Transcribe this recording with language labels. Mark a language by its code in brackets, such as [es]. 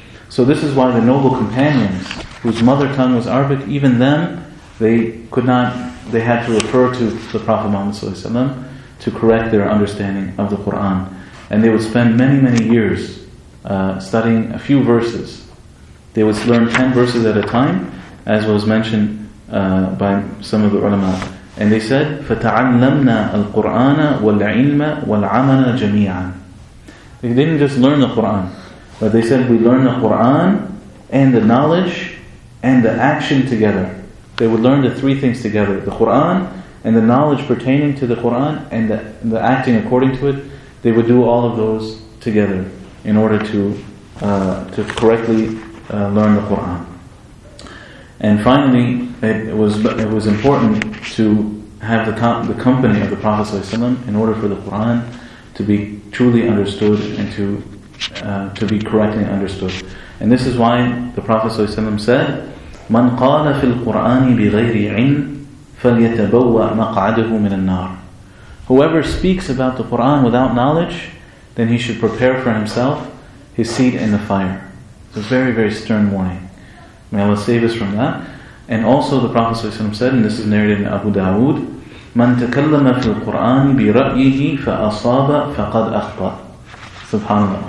[en] So this is why the noble companions, whose mother tongue was Arabic, even them, they had to refer to the Prophet Muhammad to correct their understanding of the Qur'an. And they would spend many, many years studying a few verses. They would learn 10 verses at a time, as was mentioned by some of the ulama. And they said, [ar] فَتَعَلَّمْنَا الْقُرْآنَ وَالْعِلْمَ وَالْعَمَلَ جَمِيعًا. [en] They didn't just learn the Qur'an, but they said, we learn the Qur'an and the knowledge and the action together. They would learn the three things together, the Qur'an and the knowledge pertaining to the Qur'an and the acting according to it. They would do all of those together in order to correctly learn the Qur'an. And finally, it was important to have the company of the Prophet ﷺ in order for the Qur'an to be truly understood and to be correctly understood. And this is why the Prophet ﷺ said, [ar] مَنْ قَالَ فِي الْقُرْآنِ بِغَيْرِ عِلْمٍ فَلْيَتَبَوَّأْ مَقْعَدُهُ مِنَ النَّارِ. [en] Whoever speaks about the Qur'an without knowledge, then he should prepare for himself his seat in the fire. It's a very, very stern warning. May Allah save us from that. And also the Prophet ﷺ said, and this is narrated in Abu Dawood, [ar] مَنْ تَكَلَّمَ فِي الْقُرْآنِ بِرَأْيِهِ فَأَصَابَ فَقَدْ أَخْطَى. [en] SubhanAllah.